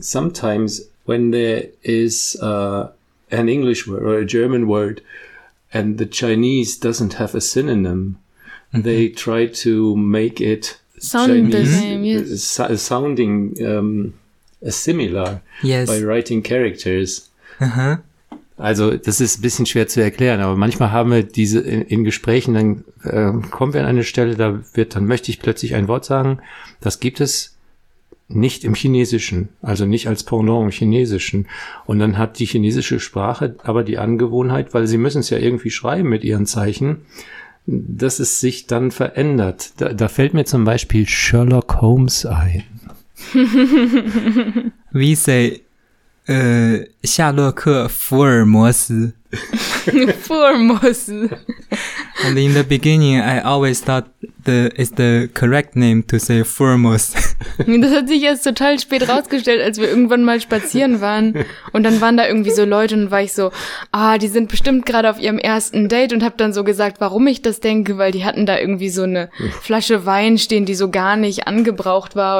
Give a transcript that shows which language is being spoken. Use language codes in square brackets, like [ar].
[en] Sometimes when there is an English word or a German word and the Chinese doesn't have a synonym, they try to make it sounding similar by writing characters. Uh-huh. [de] Also das ist ein bisschen schwer zu erklären, aber manchmal haben wir diese in Gesprächen, dann kommen wir an eine Stelle, da wird dann möchte ich plötzlich ein Wort sagen, das gibt es nicht im Chinesischen, also nicht als Pendant im Chinesischen. Und dann hat die chinesische Sprache aber die Angewohnheit, weil sie müssen es ja irgendwie schreiben mit ihren Zeichen, dass es sich dann verändert. Da fällt mir zum Beispiel Sherlock Holmes ein. [en] We say, Sherlock Holmes. Holmes. And in the beginning, I always thought it's the correct name to say Holmes. [de] Das hat sich erst total spät rausgestellt, als wir irgendwann mal spazieren waren. Und dann waren da irgendwie so Leute und war ich so, ah, die sind bestimmt gerade auf ihrem ersten Date und hab dann so gesagt, warum ich das denke, weil die hatten da irgendwie so eine Flasche Wein stehen, die so gar nicht angebraucht war.